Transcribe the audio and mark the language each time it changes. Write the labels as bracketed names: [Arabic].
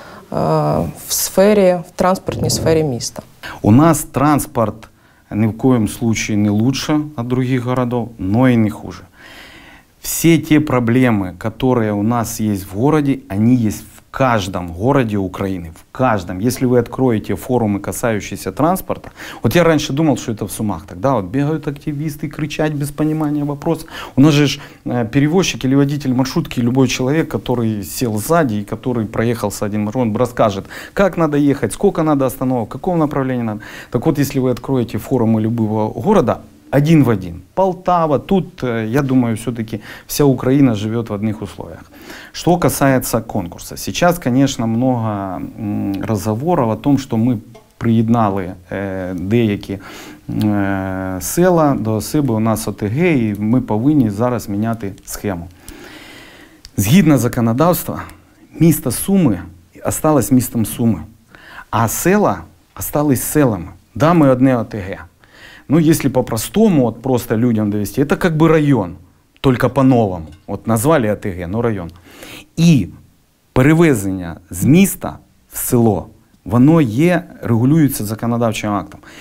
[Ukrainian] в сфері, в транспортній сфері міста. У нас транспорт ні в коєму випадку не краще від других городов, [Russian] но і не хуже. [Ukrainian] Все ті проблеми, які у нас є в місті, вони є [Russian] в каждом городе [Ukrainian] України, в каждом. [Russian] Если вы откроете форумы, касающиеся транспорта, вот я раньше думал, что это в Сумах тогда, вот бегают активисты кричать без понимания вопроса. У нас же перевозчик или водитель маршрутки, любой человек, который сел сзади и который проехался один маршрут, он расскажет, как надо ехать, сколько надо остановок, какого направления надо. Так вот, если вы откроете форумы любого города, один в один. Полтава, тут, я думаю, все-таки вся Украина живет в одних условиях. Что касается конкурса. Сейчас, конечно, много разговоров о том, что мы [Ukrainian] приеднали деякі села до себе, [Russian] у нас ОТГ, и мы повинні зараз міняти схему. [Ukrainian] Згідно законодавства, місто Суми осталось містом Суми, а села остались селами. Да, ми одне ОТГ. [Russian] Ну, если по-простому, вот просто людям довести, это как бы район, только по-новому. Вот назвали ОТГ, но район. [Ukrainian] І перевезення з міста в село, воно є, регулюється законодавчим актом.